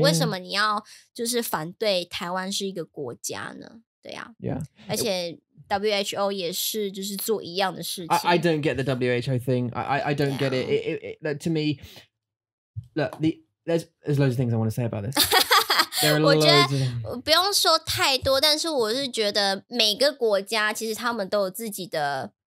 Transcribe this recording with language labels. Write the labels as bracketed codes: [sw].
[zh] 为什么你要就是反对台湾是一个国家呢？对啊， [en] yeah. [zh] 而且 WHO 也是就是做一样的事情。 [en] I don't get the WHO thing. I don't get it. It to me, look, there's loads of things I want to say about this. [zh] 我觉得不用说太多，但是我是觉得每个国家其实他们都有自己的。